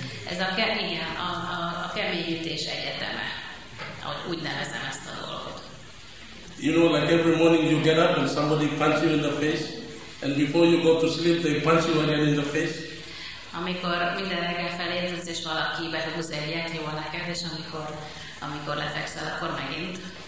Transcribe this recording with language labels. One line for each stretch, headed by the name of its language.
Hungarian: Ez a, igen, a keményítés egyeteme, úgy nevezem ezt a dolgot.
English: You know, like every morning you get up and somebody punch you in the face, and before you go to sleep they punch you again in the face.
Hungarian: Amikor minden reggel felébredsz és valaki behúz egyet, jól neked, és amikor lefekszel, akkor megint.